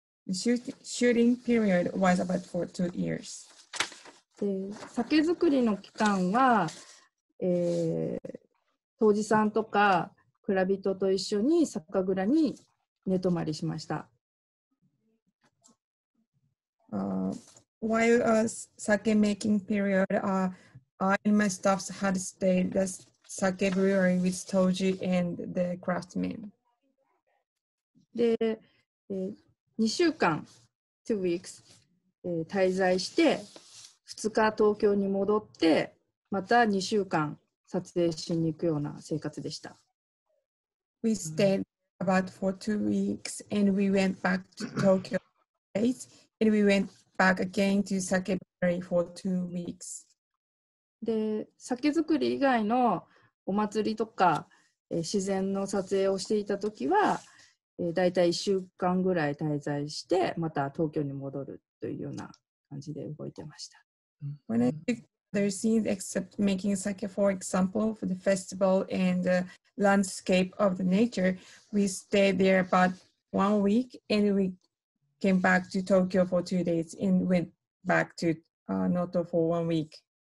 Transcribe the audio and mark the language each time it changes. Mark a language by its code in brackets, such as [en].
[en] Shooting period was about for 2 years. [ja] で、酒造りの期間は、杜氏さんとか蔵人と一緒に酒蔵に寝泊まりしました。 [en] While a sake making period, I and my staffs had stayed at the sake brewery with Toji and the craftsmen. [ja] で、2週間、 [en] 2 weeks、 [ja] 滞在して、2日東京に戻って、また2週間撮影しに行くような生活でした。 [en] We stayed about for 2 weeks and we went back to Tokyo days. And we went back again to sake brewery for 2 weeks. [ja] で、酒造り以外のお祭りとか、自然の撮影をしていたときは、だいたい1週間ぐらい滞在して、また東京に戻るというような感じで動いてました。 [en] When I took other scenes except making sake, for example, for the festival and the landscape of the nature, we stayed there about 1 week and we. Came back to Tokyo for 2 days and went back to Noto for 1 week.